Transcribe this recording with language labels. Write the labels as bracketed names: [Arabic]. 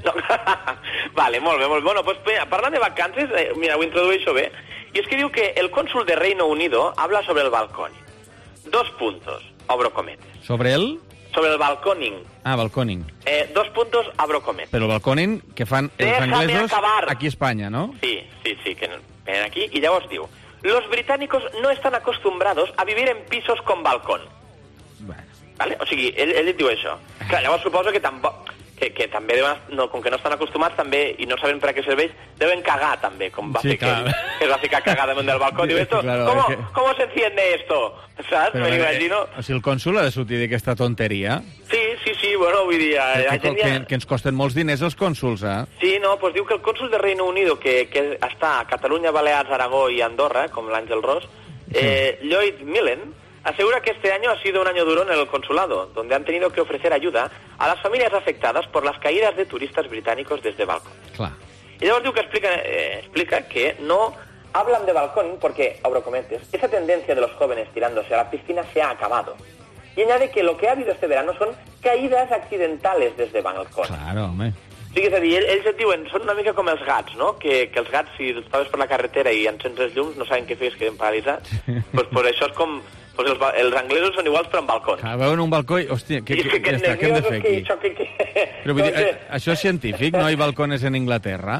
[Catalan] No. Vale, molt bé. Bueno, pues, mira, parlant de vacances, mira, ho introdueixo bé, i és que diu que el cònsul [Spanish] de Reino Unido habla sobre el balcón. [Catalan] 2 puntos, obro cometes. Sobre el...? Sobre el balcóning. Ah, balcóning. [Spanish] 2 puntos, abro comet. [Catalan] Però el balcóning, que fan els anglesos acabar. Aquí a Espanya, no? Sí, que venen aquí. I llavors diu, [Spanish] los británicos no están acostumbrados a vivir en pisos con balcón. Bueno. [Catalan] ¿Vale? O sigui, ell et diu això. Clar, llavors suposo que tampoc... Que també, deuen, no, com que no estan acostumats també i no saben per a què serveix, deuen cagar també, com va fer que es va ficar cagada damunt del balcó. Diu, esto, [Spanish] claro, ¿cómo se enciende esto? ¿Saps? Me imagino. [Catalan] O sigui, el cònsul ha de sortir d'aquesta tonteria. Sí, bueno, vull dir... Que ens costen molts diners els cònsuls, eh? Sí, no, pues diu que el cònsul de Reino Unido, que està a Catalunya, Balears, Aragó i Andorra, com l'Àngel Ros, Lloyd Millen, [Spanish] asegura que este año ha sido un año duro en el consulado, donde han tenido que ofrecer ayuda a las familias afectadas por las caídas de turistas británicos desde balcones. Claro. Y luego digo que explica que no hablan de balcón porque, abro comentes, esa tendencia de los jóvenes tirándose a la piscina se ha acabado. Y añade que lo que ha habido este verano son caídas accidentales desde balcón. Claro, home. [Catalan] Sí, és a dir, ells et diuen, són una mica com els gats, no? Que els gats, si els trobes per la carretera i encens els llums, no saben què fer, es queden paralitzats. Doncs pues, pues això és com... Pues els anglesos són iguals, però amb balcons. Ah, veuen un balcó i, hòstia, què hem de fer aquí? Però vull dir, això és científic, no hi ha balcones en Anglaterra?